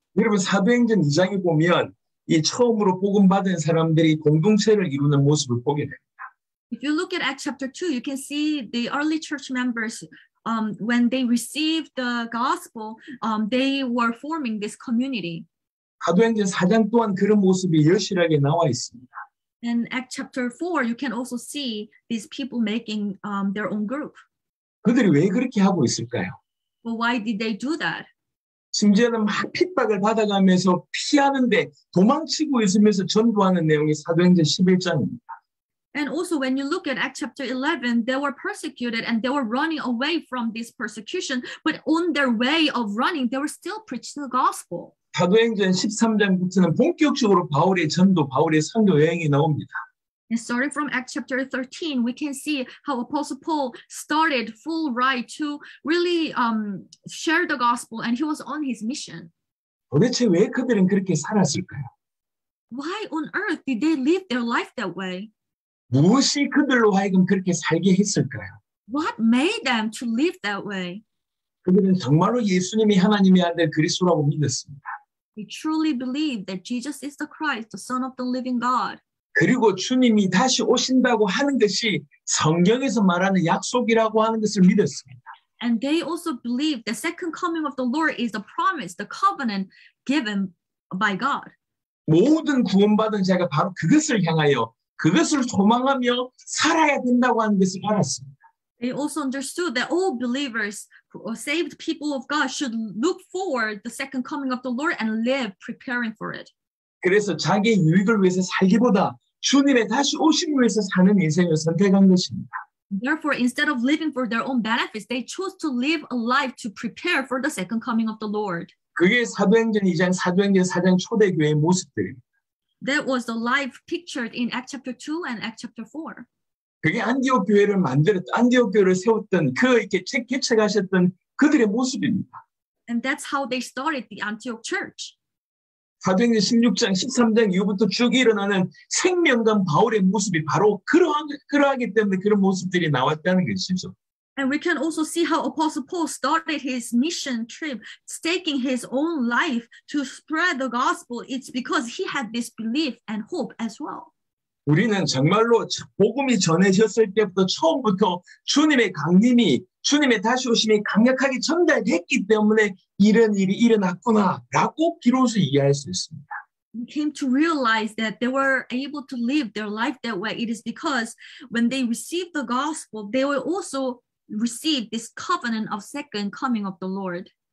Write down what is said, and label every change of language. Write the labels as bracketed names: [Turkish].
[Korean] 여러분 사도행전 2장에 보면 이 처음으로 복음 받은 사람들이 공동체를 이루는 모습을 보게 됩니다. [English] If you look at Acts chapter 2, you can see the early church members when they received the gospel, they were forming this community. [Korean] 사도행전 4장 또한 그런 모습이 여실하게 나와 있습니다. [English] In Acts chapter 4, you can also see these people making their own group. [Korean] 그들이 왜 그렇게 하고 있을까요? [English] But why did they do that? [Korean] 심지어는 막 핍박을 받아가면서 피하는데 도망치고 있으면서 전도하는 내용이 사도행전 11장입니다. [English] And also when you look at Acts chapter 11, they were persecuted and they were running away from this persecution, but on their way of running, they were still preaching the gospel. [Korean] 사도행전 13장부터는 본격적으로 바울의 전도, 바울의 선교 여행이 나옵니다. [English] And starting from Acts chapter 13, we can see how Apostle Paul started full right to really share the gospel and he was on his mission. [Korean] 도대체 왜 그들은 그렇게 살았을까요? [English] Why on earth did they live their life that way? [Korean] 무엇이 그들로 하여금 그렇게 살게 했을까요? [English] What made them to live that way? [Korean] 그들은 정말로 예수님이 하나님의 아들 그리스도라고 믿었습니다. [English] They truly believe that Jesus is the Christ, the Son of the living God. [Korean] 그리고 주님이 다시 오신다고 하는 것이 성경에서 말하는 약속이라고 하는 것을 믿었습니다. [English] And they also believe the second coming of the Lord is the promise, the covenant given by God. [Korean] 모든 구원받은 자가 바로 그것을 향하여 그것을 소망하며 살아야 된다고 하는 것을 알았습니다. [English] They also understood that all believers or saved people of God should look forward the second coming of the Lord and live preparing for it. [Korean] 그래서 자기 유익을 위해서 살기보다 주님의 다시 오심을 위해서 사는 인생을 선택한 것입니다. [English] Therefore, instead of living for their own benefits, they chose to live a life to prepare for the second coming of the Lord. [Korean] 그게 사도행전 2장, 사도행전 4장 초대교회의 모습들입니다. [English] That was the life pictured in Acts chapter 2 and Acts chapter 4. [Korean] 그게 안디옥 교회를 만들었던 안디옥 교회를 세웠던 그 이렇게 개척하셨던 그들의 모습입니다. [English] And that's how they started the Antioch Church. [Korean] 사도행전 16장 13장 이후부터 쭉 일어나는 생명감 바울의 모습이 바로 그러하기 때문에 그런 모습들이 나왔다는 것이죠. [English] And we can also see how Apostle Paul started his mission trip, staking his own life to spread the gospel. It's because he had this belief and hope as well. [Korean] 우리는 정말로 복음이 전해졌을 때부터 처음부터 주님의 강림이 주님의 다시 오심이 강력하게 전달됐기 때문에 이런 일이 일어났구나라고 비로소 이해할 수 있습니다. [English] We came to realize that they were able to live their life that way. It is because when they received the gospel, they were also received this covenant of second coming of the Lord.